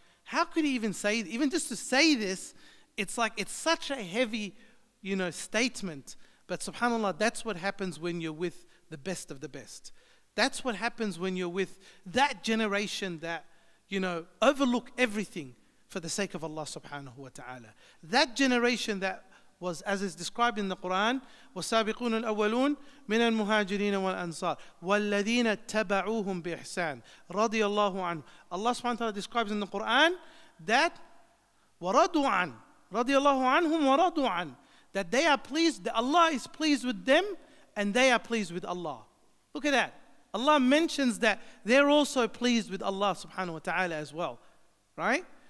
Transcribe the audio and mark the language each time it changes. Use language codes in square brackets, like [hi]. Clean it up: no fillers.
[en] How could he even say, even just to say this, it's like, it's such a heavy, you know, statement. But subhanAllah, that's what happens when you're with the best of the best. That's what happens when you're with that generation that, you know, overlook everything for the sake of Allah subhanahu wa ta'ala. That generation that was, as is described in the Quran, [ar] وَالسَّابِقُونَ الْأَوَّلُونَ مِنَ الْمُهَاجِرِينَ وَالْأَنصَارِ وَالَّذِينَ تَبَعُوهُمْ بِإِحْسَانٍ رَضِيَ اللَّهُ عَنْهُ. [en] Allah subhanahu wa ta'ala describes in the Quran that [ar] وَرَضُوا عَنْ رَضِيَ اللَّهُ عَنْهُمْ وَرَضُوا عَنْ, [en] that they are pleased, that Allah is pleased with them and they are pleased with Allah. Look at that. Allah mentions that they're also pleased with Allah subhanahu wa ta'ala as well. Right?